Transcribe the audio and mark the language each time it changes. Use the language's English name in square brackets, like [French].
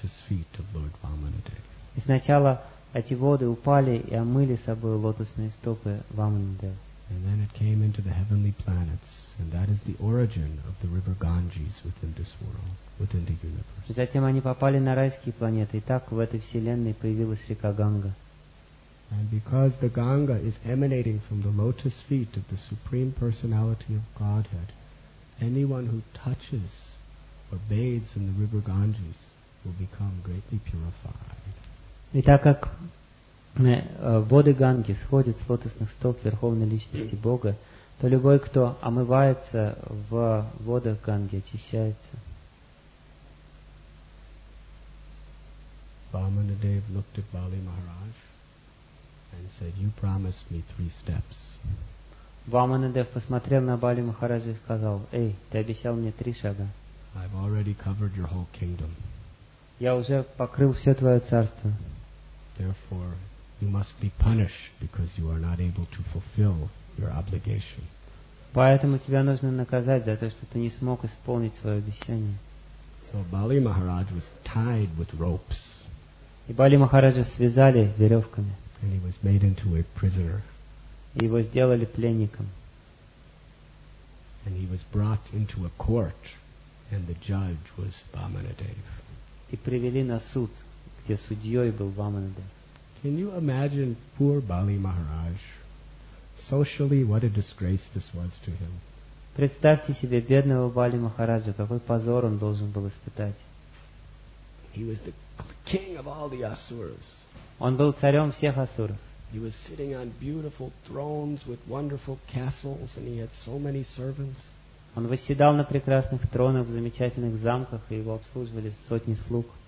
[Russian] И сначала эти воды упали и омыли собой лотосные стопы Ванмандева. [English] And then it came into the heavenly planets, and that is the origin of the river Ganges within this world, within the universe. [Russian] Затем они попали на райские планеты, и так в этой вселенной появилась река Ганга. [English] And because the Ganga is emanating from the lotus feet of the Supreme Personality of Godhead, anyone who touches or bathes in the river Ganges will become greatly purified. [Russian] И так как воды Ганги сходят с лотосных стоп Верховной Личности Бога, то любой, кто омывается в водах Ганги, очищается. [English] Vamanadev looked at Bali Maharaj and said, "You promised me three steps." [Russian] Vamanadev посмотрел на Бали Махараджа и сказал: "Эй, ты обещал мне три шага." [English] I've already covered your whole kingdom. [Russian] Я уже покрыл все твое царство. [English] Therefore, you must be punished because you are not able to fulfill your obligation. [Russian] Поэтому тебя нужно наказать за то, что ты не смог исполнить свое обещание. [English] So Bali Maharaj was tied with ropes. [Russian] И Бали Махараджа связали веревками. [English] And he was made into a prisoner. [Russian] И его сделали пленником. [English] And he was brought into a court, and the judge was Vamanadev. [Russian] И привели на суд, где судьей был Vamanadev. [English] Can you imagine poor Bali Maharaj? Socially, what a disgrace this was to him. [Russian] Представьте себе бедного Бали Махараджа, какой позор он должен был испытать. [English] He was the king of all the asuras. [Russian] Он был царем всех асуров. [English] He was sitting on beautiful thrones with wonderful castles, and he had so many servants. [Russian] Он восседал на прекрасных тронах в замечательных замках, и его обслуживали сотни слуг.